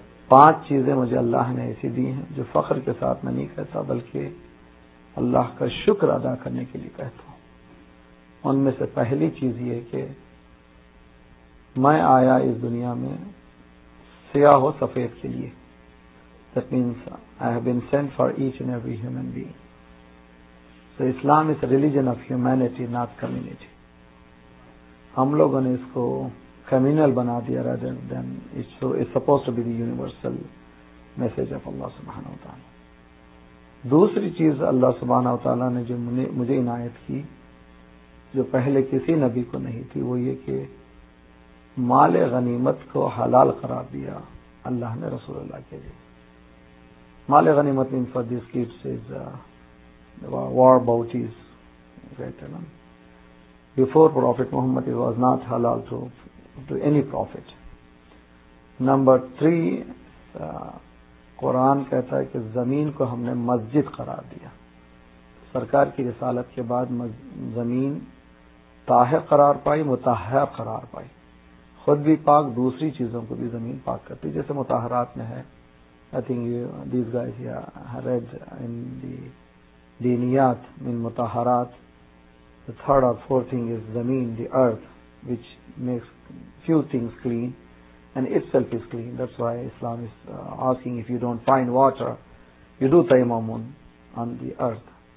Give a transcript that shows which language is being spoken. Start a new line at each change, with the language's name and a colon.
Urdu: پانچ چیزیں مجھے اللہ نے ایسی دی ہیں جو فخر کے ساتھ میں نہیں کہتا بلکہ اللہ کا شکر ادا کرنے کے لیے کہتا ہوں. ان میں سے پہلی چیز یہ کہ میں آیا اس دنیا میں سیاہ و سفید کے لیے, that means I have been sent for each and every human being.
English: So Islam is a religion of humanity, not community. ہم لوگوں نے اس کو کمیونل بنا دیا rather than it's supposed to be the universal message of Allah سبحانہ وتعالی.
Urdu: دوسری چیز اللہ سبحانہ وتعالی نے جو مجھے عنایت کی جو پہلے کسی نبی کو نہیں تھی وہ یہ کہ مال غنیمت کو حلال قرار دیا اللہ نے رسول اللہ کے لیے.
English: مال غنیمت means for these kids is war bounties, before Prophet Muhammad it was not halal to any prophet.
Urdu: Number three, Quran کہتا ہے کہ زمین کو ہم نے مسجد قرار دیا. سرکار کی رسالت کے بعد زمین طاہر قرار پائی, متحر قرار پائی, خود بھی پاک دوسری چیزوں کو بھی زمین پاک کرتی, جیسے متحرات میں ہے.
English: I think these guys here read in the دینیات من متحرات the third or fourth thing is زمین the earth which makes few things clean and itself is clean. That's why Islam is asking if you don't find water you do تیمامون on the earth.